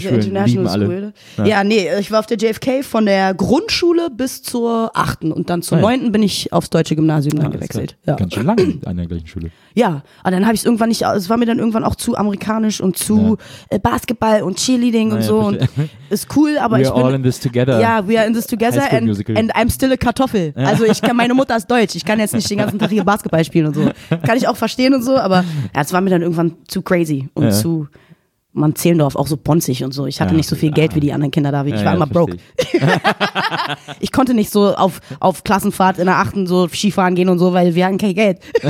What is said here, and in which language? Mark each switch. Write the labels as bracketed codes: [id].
[de] Schulen, lieben alle. Ja, nee, ich war auf der JFK von der Grundschule bis zur 8. und dann zur 9. bin ich aufs deutsche Gymnasium dann gewechselt. Ja. Ganz schön lange an der gleichen Schule. Ja, aber dann habe ich es irgendwann nicht, es war mir dann irgendwann auch zu amerikanisch und zu Basketball und Cheerleading und so. Und ist cool, aber [en] we [de] ich [en] are [de] bin... [en] We're all in this together. Ja, we are in this together and I'm still a Kartoffel. Ja. [de] Also ich kann, meine Mutter ist deutsch, ich kann jetzt nicht den ganzen Tag hier Basketball spielen und so. Kann ich auch verstehen und so, aber es war mir dann irgendwann zu crazy und zu... Man Zehlendorf auch so bonzig und so. Ich hatte nicht so viel Geld wie die anderen Kinder da. Ich war immer broke. Ich konnte nicht so auf Klassenfahrt in der 8. so Skifahren gehen und so, weil wir hatten kein Geld.